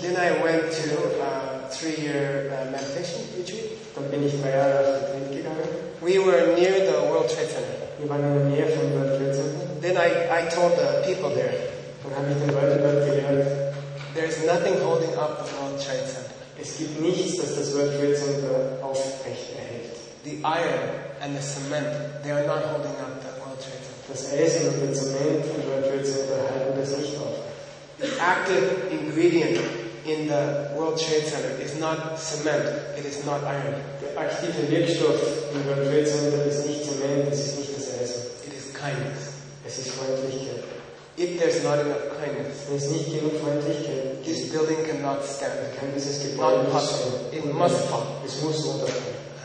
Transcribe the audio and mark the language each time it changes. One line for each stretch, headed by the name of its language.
English: Then I went to a 3-year meditation retreat.
German: Dann bin ich 3 Jahre auf den Trip gegangen.
English: We were near the World Trade Center.
German: Wir waren in der Nähe von World Trade Center.
English: Then I told the people there.
German: Dann habe ich den Leuten dort gesagt,
English: there is nothing holding up the World Trade Center.
German: Es gibt nichts, das das World Trade Center aufrecht erhält.
English: The iron and the cement, they are not holding up the World Trade Center.
German: Das Eisen und der Zement von World Trade Center halten das nicht auf.
English: The active ingredient in the World Trade Center is not cement, it is not iron.
German: Der aktive Wirkstoff im World Trade Center ist nicht Zement, es ist nicht das Eisen.
English: It is kindness.
German: Es ist Freundlichkeit.
English: If there's not enough kindness,
German: wenn es nicht genug Freundlichkeit gibt,
English: this building cannot stand.
German: Kann dieses Gebäude nicht stehen.
English: It must fall.
German: Es muss runterfallen.